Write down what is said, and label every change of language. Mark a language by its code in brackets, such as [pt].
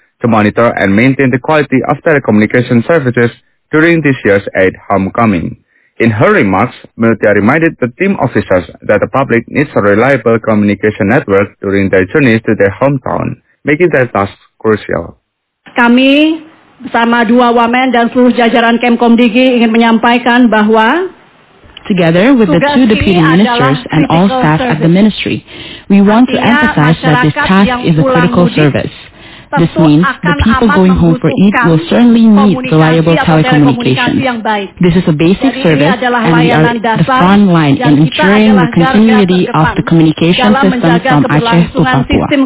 [en] To monitor and maintain the quality of telecommunication services during this year's Eid homecoming. In her remarks, Mutia reminded the team officers that the public needs a reliable communication network during their journeys to their hometown, making their task crucial. [id] Kami bersama dua wamen dan seluruh jajaran Kemkomdigi ingin menyampaikan bahwa [en] together with the two deputy ministers and all staff at the ministry, we want to emphasize that this task is a critical service. This means the people going home for Eid will certainly need reliable telecommunications. This is a basic service and we are the front line in ensuring the continuity of the communication system from Aceh to Papua.